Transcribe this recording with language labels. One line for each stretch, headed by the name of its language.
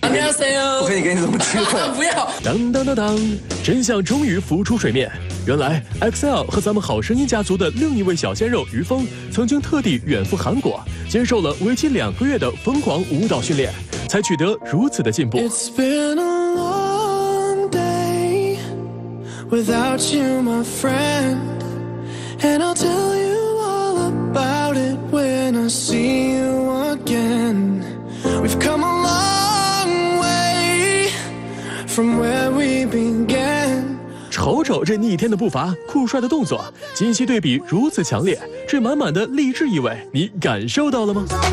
Chinese: 你好，谁哦？不可以给你这么机会。不要。当当当当，真相终于浮出水面。原来 XL 和咱们好声音家族的另一位小鲜肉于峰，曾经特地远赴韩国，接受了为期两个月的疯狂舞蹈训练，才取得如此的进步。
English: It's been a long day without you, my friend, and I'll tell you. About it when I see you again. We've come a long way from where we began.
Chinese: 瞅瞅这逆天的步伐，酷帅的动作，今昔对比如此强烈，这满满的励志意味，你感受到了吗？